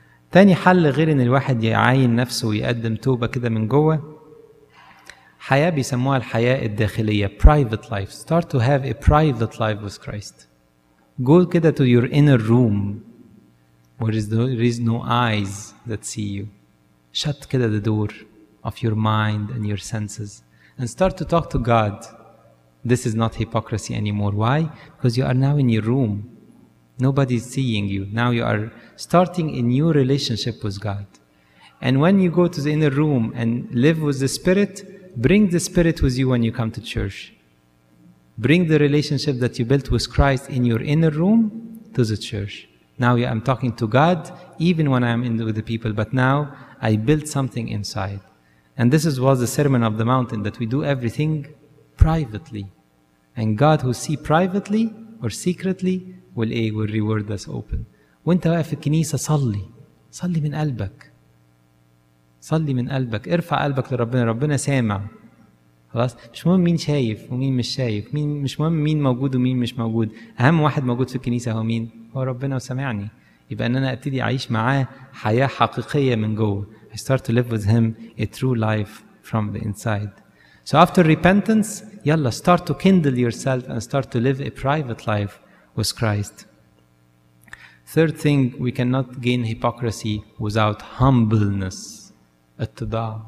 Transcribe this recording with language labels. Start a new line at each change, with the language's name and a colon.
Arabic: تاني حل غير إن الواحد يعاين نفسه ويقدم توبة كده من جوه، حياة بيسموها الحياة الداخلية،
English: private life. Start to have a private life with Christ. Go
Arabic: كده
English: to your inner room where there is no eyes that see you. Shut
Arabic: كده
English: the door of your mind and your senses. And start to talk to God. This is not hypocrisy anymore. Why? Because you are now in your room. Nobody is seeing you. Now you are starting a new relationship with God. And when you go to the inner room and live with the Spirit, bring the Spirit with you when you come to church. Bring the relationship that you built with Christ in your inner room to the church. Now I'm talking to God even when I'm in with the people, but now I built something inside. And this was the Sermon of the Mountain, that we do everything privately. And God who see privately or secretly will reward us open.
Arabic: وانت واقف في الكنيسة صلي. صلي من قلبك. صلي من قلبك. ارفع قلبك لربنا. ربنا سامع. خلاص؟ مش مهم مين شايف ومين مش شايف. مش مهم مين موجود ومين مش موجود. أهم واحد موجود في الكنيسة هو مين؟ هو ربنا وسمعني. يبقى أن أنا أبتدي أعيش معاه حياة حقيقية من جوه.
English: I start to live with him a true life from the inside. So after repentance, yalla, start to kindle yourself and start to live a private life with Christ. Third thing, we cannot gain hypocrisy without humbleness. At-tada.